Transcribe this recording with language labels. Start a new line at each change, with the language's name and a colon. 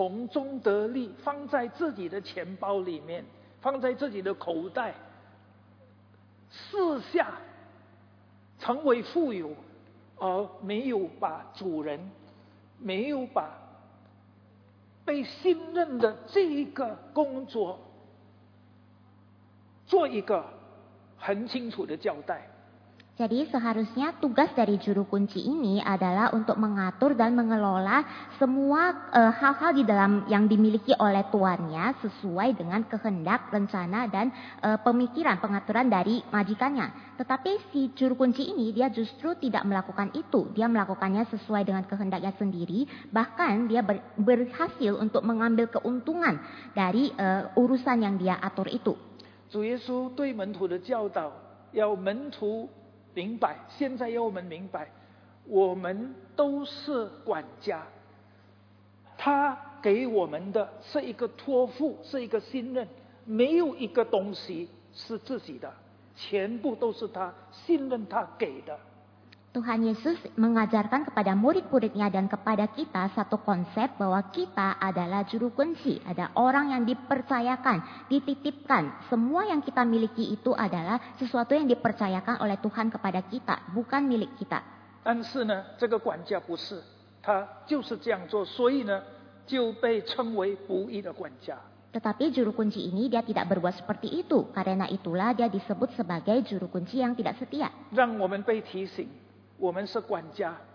Chinese: 照做主人的吩咐，照做主人的安排，照做主人的计划，照做主人所要的去做，要听主人的话。但是呢，这个管家呢，被称为不义的管家，为什么呢？因为他没有把主人放在眼中，他做他自己要的，甚至呢，他能够从中得利，放在自己的钱包里面。放在自己的口袋，四下成为富有，而没有把主人，没有把被信任的这一个工作做一个很清楚的交代。
Indonesian: Jadi seharusnya tugas dari juru kunci ini adalah untuk mengatur dan mengelola semua hal-hal di dalam yang dimiliki oleh tuannya sesuai dengan kehendak, rencana, dan pemikiran, pengaturan dari majikannya. Tetapi si juru kunci ini dia justru tidak melakukan itu. Dia melakukannya sesuai dengan kehendaknya sendiri. Bahkan dia berhasil untuk mengambil keuntungan dari urusan yang dia atur itu.
Chinese: 主耶稣对门徒的教导，要门徒 明白，现在要我们明白，我们都是管家，他给我们的是一个托付，是一个信任，没有一个东西是自己的，全部都是他信任他给的。
Indonesian: Tuhan Yesus mengajarkan kepada murid-muridnya dan kepada kita satu konsep bahwa kita adalah juru kunci, ada orang yang dipercayakan, dititipkan. Semua yang kita miliki itu adalah sesuatu yang dipercayakan oleh Tuhan kepada kita, bukan milik kita.
Chinese: 但是呢, 这个管家不是, 他就是这样做, 所以呢, 就被称为不义的管家。
Indonesian: Tetapi juru kunci ini dia tidak berbuat seperti itu, karena itulah dia disebut sebagai juru kunci yang tidak setia.
Chinese: 让我们被提醒, 我们是管家。